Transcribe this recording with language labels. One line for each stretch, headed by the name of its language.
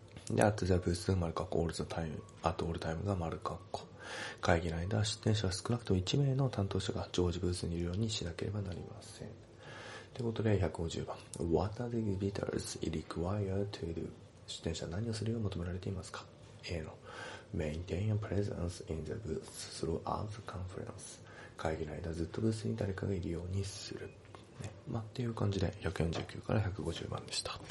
Japanese: で、
English: at the booth
Japanese: 丸括弧、
English: all the time, at all time
Japanese: が丸括弧。会議の間、出展者は少なくとも1名の担当者が常時ブースにいるようにしなければなりません。ということで、150番。
English: What are the exhibitors required to do?
Japanese: 出展者は何をするよう求められていますか ?A の。
English: Maintain a presence in the booth throughout the conference.
Japanese: 会議の間、ずっとブースに誰かがいるようにする。ね、まあ、っていう感じで、149から150番でした。